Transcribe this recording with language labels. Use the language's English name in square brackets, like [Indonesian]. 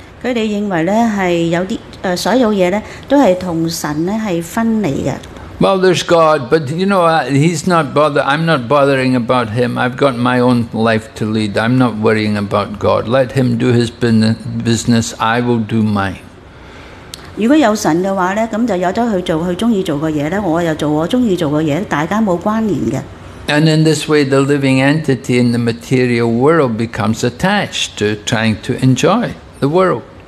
[Cantonese] 佢哋認為咧係有啲所有嘢咧都係同神咧係分離嘅。 [English] Well, there's God, but you know, he's not bothered. I'm not bothering about him. I've got my own life to lead. I'm not worrying about God. Let him do his business. I will do mine. [Cantonese] 如果有神的話，那就有得去做他喜歡做的事，我又做我喜歡做的事，大家沒有關聯的。 [English] And in this way, the living entity in the material world becomes attached to trying to enjoy the world.